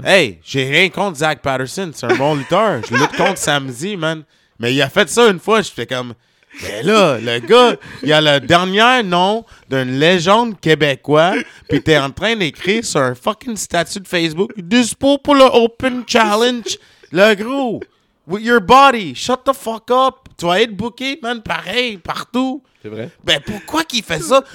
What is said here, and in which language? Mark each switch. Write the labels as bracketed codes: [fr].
[fr] Hey, j'ai rien contre Zach Patterson. C'est un bon lutteur. Je lutte contre samedi, man. Mais il a fait ça une fois. J'étais comme... Mais là, le gars, il a le dernier nom d'une légende québécoise pis t'es en train d'écrire sur un fucking statut de Facebook « Dispo pour le Open Challenge, le gros. [en] With your body, shut the fuck up. [fr] Tu vas être booké, man, pareil, partout. » C'est vrai. Ben, pourquoi qu'il fait ça?